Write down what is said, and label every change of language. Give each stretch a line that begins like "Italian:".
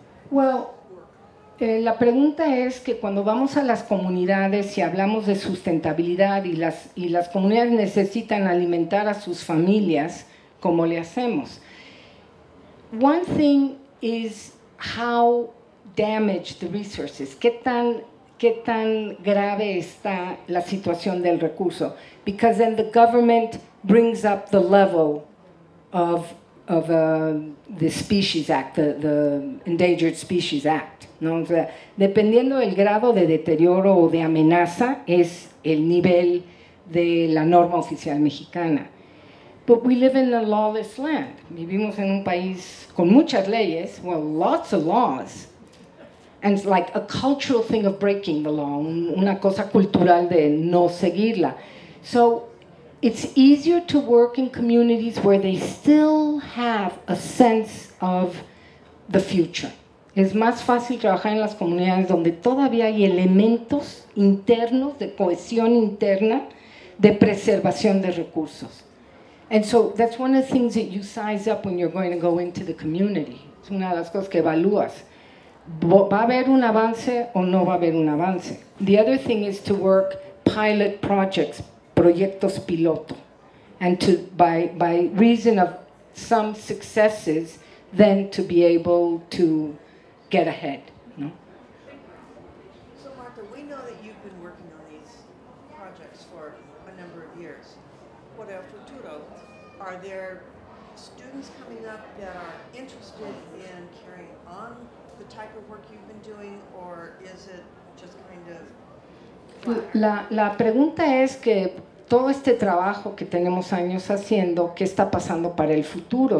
Spanish: Well, la pregunta es que cuando vamos a las comunidades y hablamos de sustentabilidad y las comunidades necesitan alimentar a sus familias, ¿cómo le hacemos?
English: One thing is how damaged the resources.
Spanish: ¿Qué tan grave está la situación del recurso?
English: Because then the government brings up the level of the Species Act, the Endangered Species Act.
Spanish: No, o sea, dependiendo del grado de deterioro o de amenaza es el nivel de la norma oficial mexicana.
English: But we live in a lawless land.
Spanish: Vivimos en un país con muchas leyes,
English: well, lots of laws. And it's like a cultural thing of breaking the law,
Spanish: una cosa cultural de no seguirla.
English: So it's easier to work in communities where they still have a sense of the future.
Spanish: Es más fácil trabajar en las comunidades donde todavía hay elementos internos de cohesión interna de preservación de recursos.
English: And so that's one of the things that you size up when you're going to go into the community.
Spanish: Es una de las cosas que evalúas. ¿Va a haber un avance o no va a haber un avance?
English: The other thing is to work pilot projects,
Spanish: proyectos piloto.
English: And to, by reason of some successes, then to be able to get ahead.
Spanish: No?
English: So Marta, we know that you've been working on these projects for a number of years. What about Futuro? Are there students coming up that are interested in carrying on the type of work you've been doing, or is it just kind of...
Spanish: La pregunta es que todo este trabajo que tenemos años haciendo, ¿qué está pasando para el futuro?